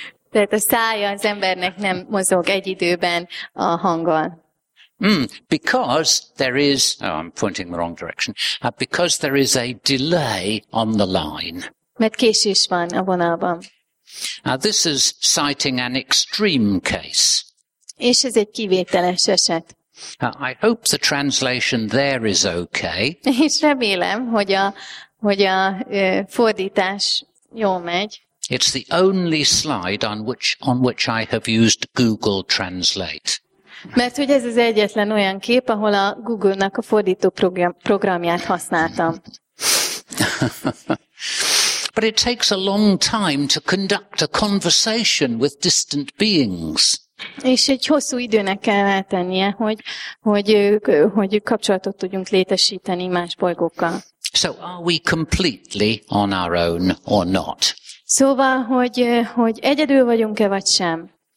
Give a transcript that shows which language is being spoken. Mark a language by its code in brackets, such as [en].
[hu] Tehát a szája az embernek nem mozog egy időben a hanggal. [en] Because there is, I'm pointing the wrong direction, because there is a delay on the line. [hu] Mert késés van a vonalban. [en] Now this is citing an extreme case. [hu] És ez egy kivételes eset. [en] I hope the translation there is okay. [hu] És remélem, hogy a fordítás jól megy. [en] It's the only slide on which I have used Google Translate. [hu] Mert hogy ez az egyetlen olyan kép, ahol a Google-nak a fordító programját használtam. [en] But it takes a long time to conduct a conversation with distant beings. [hu] És egy hosszú időnek kell eltennie, hogy kapcsolatot tudjunk létesíteni más bolygókkal. [en] So are we completely on our own or not? [hu] Szóval, hogy egyedül vagyunk-e vagy sem?